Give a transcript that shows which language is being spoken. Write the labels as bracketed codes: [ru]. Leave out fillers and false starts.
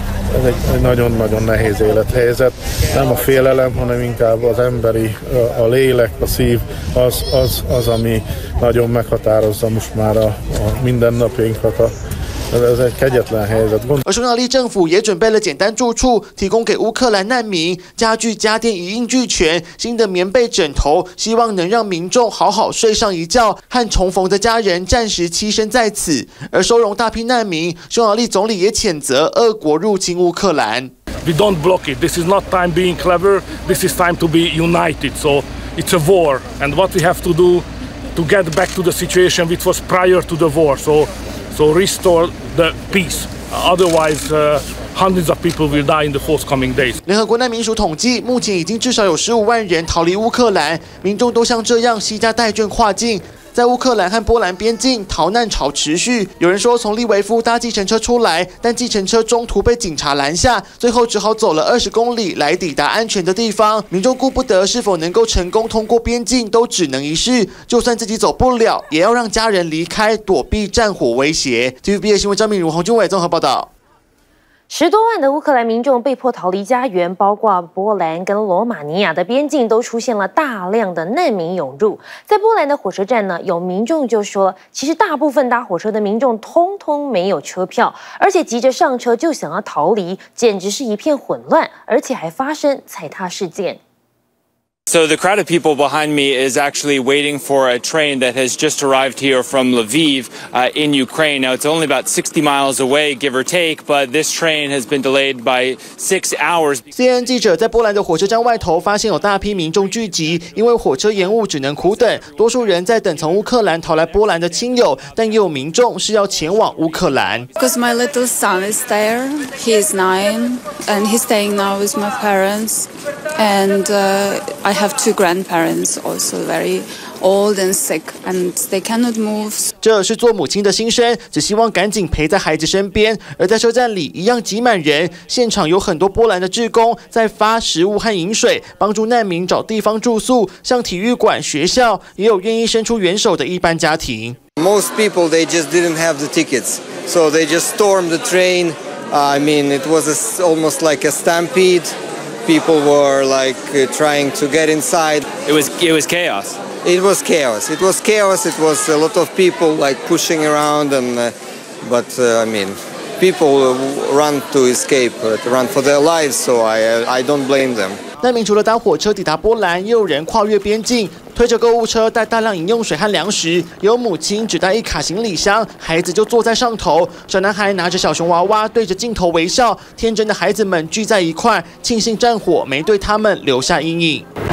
[hu] Ez egy nagyon-nagyon nehéz élethelyzet. Nem a félelem, hanem inkább az emberi, a lélek, a szív, az ami nagyon meghatározza most már a mindennapjainkat. Ez egy kegyetlen helyzet. [zh] A 匈牙利政府也准备了简单住处，提供给乌克兰难民，家具家电一应俱全，新的棉被枕头，希望能让民众好好睡上一觉，和重逢的家人暂时栖身在此。而收容大批难民，匈牙利总理也谴责俄国入侵乌克兰。 [en] We don't block it. This is not time being clever. This is time to be united. So it's a war, and what we have to do to get back to the situation which was prior to the war. So restore the peace. Otherwise, hundreds of people will die in the forthcoming days. [zh] 联合国难民署统计，目前已经至少有150,000人逃离乌克兰，民众都像这样携家带眷跨境。在乌克兰和波兰边境，逃难潮持续。有人说从利维夫搭计程车出来，但计程车中途被警察拦下，最后只好走了20公里来抵达安全的地方。民众顾不得是否能够成功通过边境，都只能一试。就算自己走不了，也要让家人离开，躲避战火威胁。 TVBS 新闻张敏如、洪俊伟综合报道。 10多万的乌克兰民众被迫逃离家园，包括波兰跟罗马尼亚的边境都出现了大量的难民涌入。在波兰的火车站呢，有民众就说，其实大部分搭火车的民众通通没有车票，而且急着上车就想要逃离，简直是一片混乱，而且还发生踩踏事件。 [en] So the crowd of people behind me is actually waiting for a train that has just arrived here from Lviv, in Ukraine. Now it's only about 60 miles away, give or take, but this train has been delayed by 6 hours. [zh] CNN 记者在波兰的火车站外头发现有大批民众聚集，因为火车延误只能苦等。多数人在等从乌克兰逃来波兰的亲友，但也有民众是要前往乌克兰。 [en] Because my little son is there, he is 9, and he's staying now with my parents, and I have 2 grandparents, also very old and sick, and they cannot move. [zh] 这是做母亲的心声，只希望赶紧陪在孩子身边。而在车站里一样挤满人，现场有很多波兰的志工在发食物和饮水，帮助难民找地方住宿，像体育馆、学校，也有愿意伸出援手的一般家庭。 [en] Most people they just didn't have the tickets, so they just stormed the train. I mean, it was almost like a stampede. People were like trying to get inside. It was chaos. It was chaos. It was chaos. It was a lot of people like pushing around and, but I mean, people run to escape, run for their lives. So I don't blame them. [zh] 难民除了搭火车抵达波兰，也有人跨越边境，推着购物车带大量饮用水和粮食。有母亲只带一卡行李箱，孩子就坐在上头。小男孩拿着小熊娃娃，对着镜头微笑。天真的孩子们聚在一块，庆幸战火没对他们留下阴影。